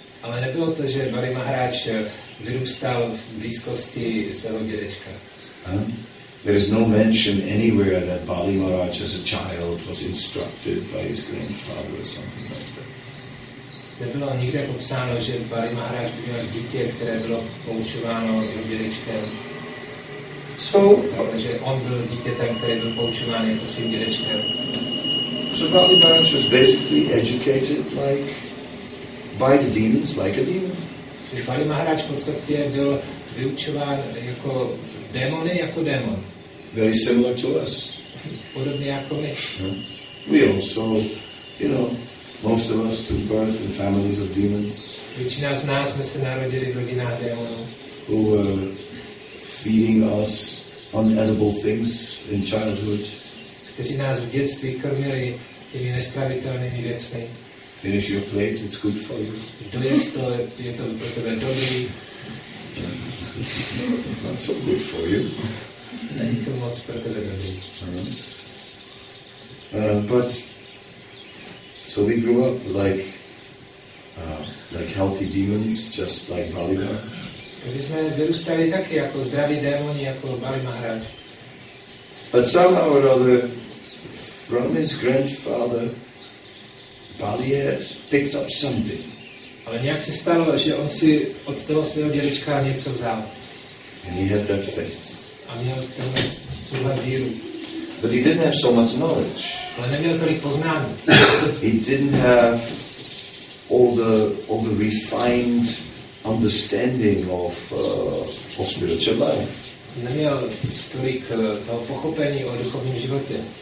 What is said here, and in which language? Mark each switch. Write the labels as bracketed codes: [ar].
[cs] Ale nebylo to, že Bali Maharaj vyrůstal v blízkosti svého dědečka. [en] There is no mention anywhere that Bali Maharaj as a child was instructed by his grandfather or something like that. [cs] Nebylo nikde popsáno, že Bali Maharaj by měl dítě, které bylo poučováno jeho dědečkem. [en] So, [cs] že on byl dítě ten, který byl poučován jako svým dědečkem. [en] So Bali Maharaj was basically educated like by the demons, like a demon. [cs] Že Bali Maharaj v podstatě byl vyučován jako démony, jako démon. [en] Very similar to us. [cs] Podobně jako my. [en] We also, you know, most of us took birth in families of demons. [cs] Většina z nás jsme se narodili v rodinách démonů. [en] Who were feeding us unedible things in childhood. [cs] Kteří nás v dětství krmili těmi nestravitelnými věcmi. [en] Finish your plate, it's good for you. [cs] Dojez to, je to pro tebe dobrý. [en] Not so good for you. [cs] Není to moc pro tebe dobrý. [en] But so we grew up like healthy demons, just like Bali Maharaj. [cs] Takže jsme vyrůstali taky jako zdraví démoni, jako Bali Maharaj. [en] But somehow or other, from his grandfather, Bali had picked up something. [cs] Ale nějak se stalo, že on si od toho svého dědečka něco vzal. [en] And he had that faith. [cs] A měl tohle víru. [en] But he didn't have so much knowledge. [cs] Ale neměl tolik poznání. [en] He didn't have all the refined understanding of spiritual life. [cs] Neměl tolik toho pochopení o duchovním životě.